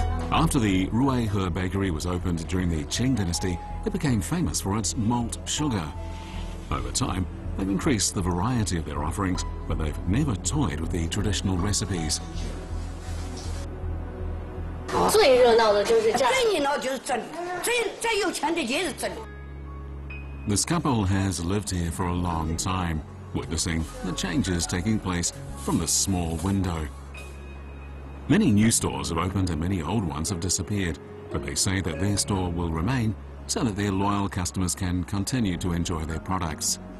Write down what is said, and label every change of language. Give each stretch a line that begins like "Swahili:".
English: After the Ruihe Bakery was opened during the Qing Dynasty, it became famous for its malt sugar. Over time, they've increased the variety of their offerings, but they've never toyed with the traditional recipes.
Chinese: 最热闹的就是这儿，最热闹就是这儿，最有钱的也是这儿。
English: This couple has lived here for a long time, witnessing the changes taking place from the small window. Many new stores have opened and many old ones have disappeared, but they say that their store will remain so that their loyal customers can continue to enjoy their products.